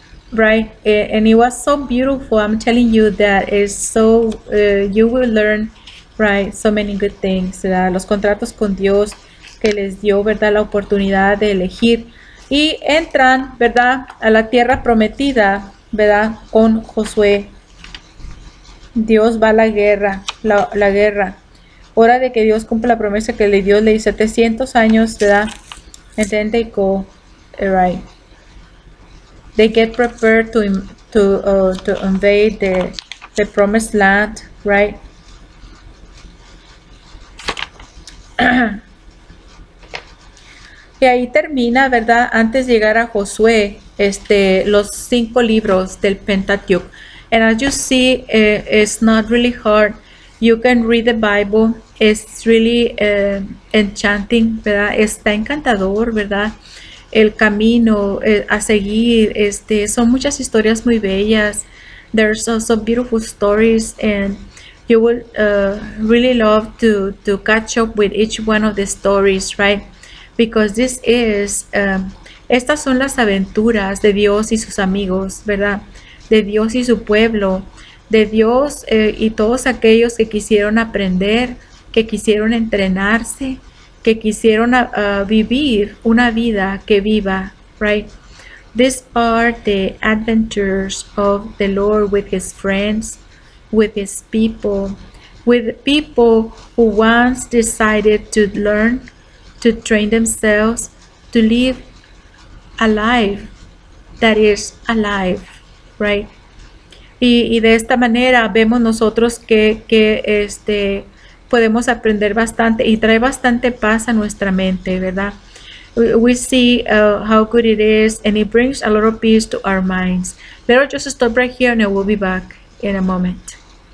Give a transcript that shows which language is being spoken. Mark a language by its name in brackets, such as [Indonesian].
[English] Right, and it was so beautiful. I'm telling you that it's so, you will learn, right, so many good things, ¿verdad? [Spanish] Los contratos con Dios que les dio, ¿verdad?, la oportunidad de elegir. Y entran, ¿verdad?, a la tierra prometida, ¿verdad?, con Josué. Dios va a la guerra, la guerra. Hora de que Dios cumpla la promesa que le dio, le dice 700 años, ¿verdad? [English] And then they go, right. They get prepared to invade the promised land, right? [Spanish] Y ahí termina, ¿verdad? Antes de llegar a Josué, los cinco libros del Pentateuch. [English] And as you see, it's not really hard. You can read the Bible. It's really enchanting, ¿verdad? [Spanish] Está encantador, ¿verdad? El camino a seguir, son muchas historias muy bellas. [English] There's also beautiful stories and you will really love to catch up with each one of the stories, right? Because this is, [Spanish] estas son las aventuras de Dios y sus amigos, ¿verdad? De Dios y su pueblo, de Dios y todos aquellos que quisieron aprender, que quisieron entrenarse, que quisieron vivir una vida que viva, right? [English] These are the adventures of the Lord with his friends, with his people, with people who once decided to learn, to train themselves, to live a life that is alive, right? [Spanish] Y de esta manera vemos nosotros que podemos aprender bastante y trae bastante paz a nuestra mente, ¿verdad? [English] We see how good it is and it brings a lot of peace to our minds. Let us just stop right here and we'll be back in a moment.